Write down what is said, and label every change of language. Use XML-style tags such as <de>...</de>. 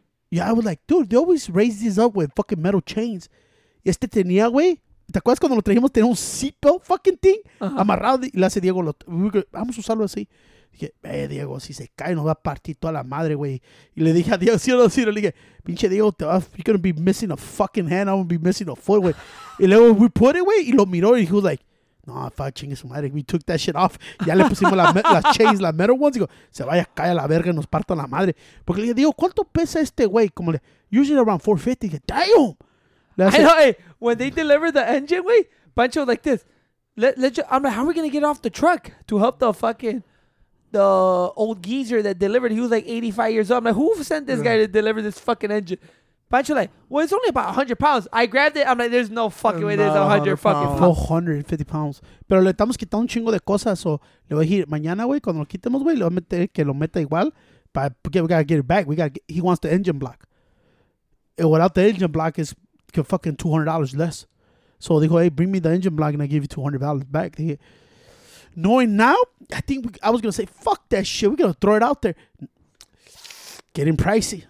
<en>Yeah, I was like, dude, they always raise this up with fucking metal chains.</en> <es>Y este tenía, güey. ¿Te acuerdas cuando lo trajimos? Tenía un</es> <en>seatbelt fucking thing</en> <es>amarrado y le hace Diego. Vamos a usarlo así. Dije, Diego, si se cae nos va a partir toda la madre, güey. Y le dije a Diego, sí o no, sí. Le dije, pinche</es> <en>Diego, you're going to be missing a fucking hand. I'm going to be missing a foot, güey.</en> <es>Y luego</es> <en>we put it,</en> <es>güey, y lo miró y</es> <en>he was like, no, fuck,</en> <es>chingue su madre.</es> <en>We took that shit off.</en> <es>Ya le pusimos las chains, las</es> <en>metal ones.</en> <es>Digo, se vaya, cae a la verga y nos parta la madre. Porque le dije, Diego, ¿cuánto pesa este güey? Como le,</es> <en>usually around 450.</en> <es>Dije,</es> <en>damn.</en> <es>Hace,</es> <en>I know, hey, when they delivered the engine, wait, Pancho was like this. I'm like, how are we going to get off the truck to help the fucking, the old geezer that delivered? He was like 85 years old. I'm like, who sent this guy to deliver this fucking engine? Pancho like, well, it's only about 100 pounds. I grabbed it. I'm like, there's no fucking way there's 100 fucking pounds. 450 pounds.</en> <es>Pero le estamos quitando un chingo de cosas.</es> <en>So</en> <es>le voy a decir, mañana, güey, cuando lo quitemos, güey, le voy a meter que lo meta igual.</es> <en>But we got to get it back. He wants the engine block. And without the engine block, it's fucking $200 less. So</en> <es>dijo,</es> <en>hey, bring me the engine block and I give you $200 back.</en> <es>Dije,</es> <en>knowing now, I was going to say, fuck that shit. We're going to throw it out there. Getting pricey.</en>